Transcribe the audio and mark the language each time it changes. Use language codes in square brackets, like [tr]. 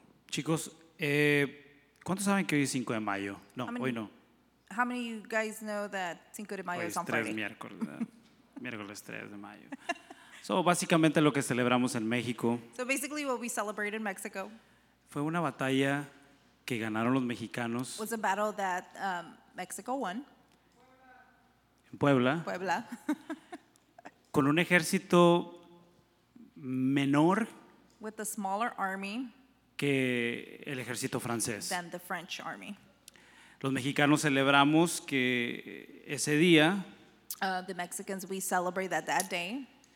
[es] Chicos, ¿cuántos saben que hoy es 5 de mayo? No, hoy no. [en] How many of you guys know that Cinco de Mayo [es] hoy [en] is on Friday? [es] Miércoles 3 de mayo. So, básicamente lo que celebramos en México. [en] So, basically what we celebrate in Mexico. [es] Fue una batalla que ganaron los mexicanos. [en] Was a battle that Mexico won. [es] En Puebla. [en] Puebla. [es] Con un ejército menor. [en] With a smaller army [es] que el ejército francés. [en] Than the French army. [es] Los mexicanos celebramos que ese día. [en] The Mexicans, we celebrate that day.